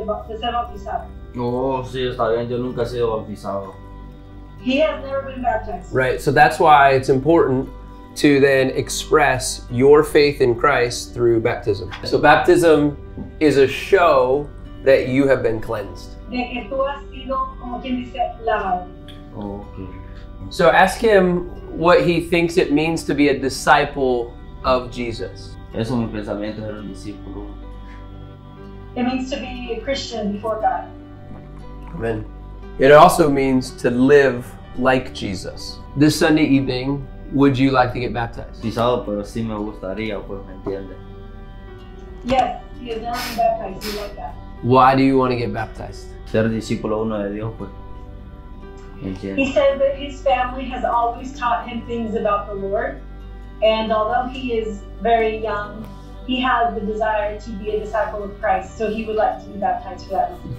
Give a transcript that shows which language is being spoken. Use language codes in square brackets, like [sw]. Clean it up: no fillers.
[es] Entonces, el próximo paso se trata de ser bautizado. Oh, sí, está bien. Yo nunca he sido bautizado. [en] He has never been baptized. Right, so that's why it's important to then express your faith in Christ through baptism. So baptism is a show that you have been cleansed. [es] De que tú has sido, como quien dice, lavado. [en] Oh, okay. So ask him what he thinks it means to be a disciple of Jesus. [es] Eso es mi pensamiento, ser un discípulo. [en] It means to be a Christian before God. Amen. It also means to live like Jesus. This Sunday evening, would you like to get baptized? [es] Sí, sábado, pero sí me gustaría, pues, ¿me entiende? [en] Yes, you don't want to be baptized, you like that. Why do you want to get baptized? [es] Ser discípulo uno de Dios, pues. [en] He said that his family has always taught him things about the Lord, and although he is very young, he has the desire to be a disciple of Christ, so he would like to be baptized for that.